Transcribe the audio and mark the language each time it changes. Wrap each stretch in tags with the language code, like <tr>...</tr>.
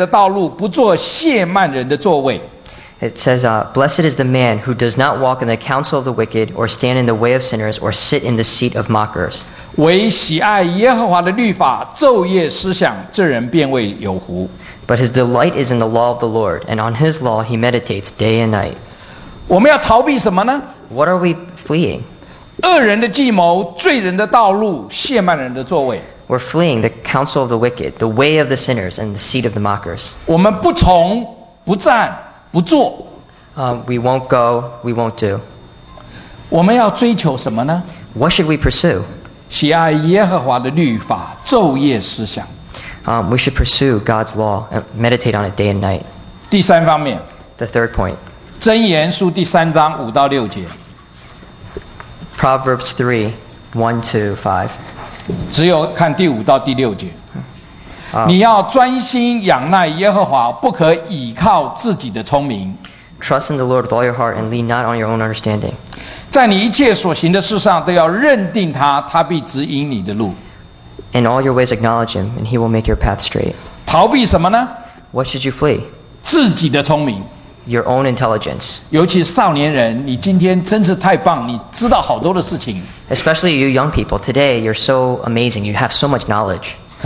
<zh>那里说不从恶人的计谋，不占罪人的道路，不做亵慢人的座位。</zh> <en>It says, "Blessed is the man who does not walk in the counsel of the wicked, or stand in the way of sinners, or sit in the seat of mockers."</en> <zh>为喜爱耶和华的律法，昼夜思想，这人便为有福。</zh> <en>But his delight is in the law of the Lord, and on his law he meditates day and night.</en> <zh>我们要逃避什么呢?</zh> <en>What are we fleeing?</en> <zh>恶人的计谋，罪人的道路，亵慢人的座位。</zh> <en>We're fleeing the counsel of the wicked, the way of the sinners, and the seat of the mockers.</en> <zh>我们不从，不占，不做。</zh> <en>We won't go, we won't do.</en> <zh>我们要追求什么呢?</zh> <en>What should we pursue?</en> <zh>喜爱耶和华的律法，昼夜思想。</zh> <en>We should pursue God's law and meditate on it day and night.</en> <zh>第三方面,</zh> <en>the third point.</en> <zh>箴言书第三章5到6节。</zh> <en>Proverbs 3, 1 to 5.</en> <zh>只有看第5到第6节。你要专心仰赖耶和华，不可倚靠自己的聪明。</zh> <en>Trust in the Lord with all your heart and lean not on your own understanding.</en> <zh>在你一切所行的事上都要认定他，他必指引你的路。</zh> <en>In all your ways acknowledge him, and he will make your path straight.</en> <zh>逃避什么呢?</zh> <en>What should you flee?</en> <zh>自己的聪明。</zh> <en>Your own intelligence.</en> <zh>尤其少年人, 你今天真是太棒, 你知道好多的事情。</zh> <en>Especially you young people, today you're so amazing, you have so much knowledge.</en>